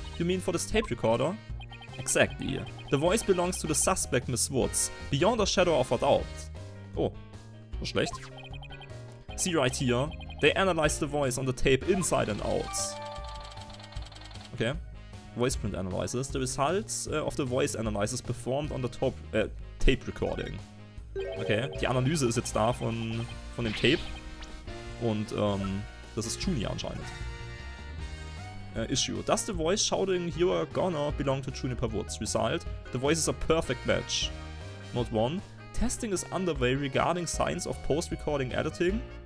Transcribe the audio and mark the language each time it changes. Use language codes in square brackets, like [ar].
[en] You mean for this tape recorder? Exactly. The voice belongs to the suspect, Miss Woods, beyond a shadow of a doubt. [de] Oh, so schlecht. See right here. [en] They analyzed the voice on the tape inside and out. Okay. Voice print analysis. The results of the voice analysis performed on the top tape recording. Okay. [de] Die Analyse ist jetzt da von dem Tape. Und das ist Juni anscheinend. [en] Issue. Does the voice shouting "You are gonna" belong to Juniper Woods? Result. The voice is a perfect match. Note 1. Testing is underway regarding signs of post-recording editing.